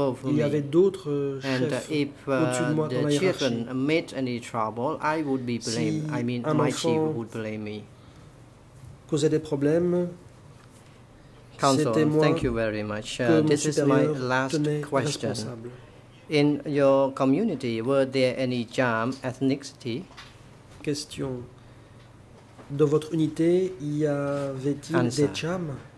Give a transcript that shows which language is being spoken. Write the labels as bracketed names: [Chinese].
[French] Il y avait d'autres chefs au-dessus de moi dans la hiérarchie. Si un enfant causait des problèmes, c'était moi que mon supérieur tenait responsable. [English] In your community, were there any Jam ethnicity? [French] Question. Dans votre unité, y avait-il des Jam?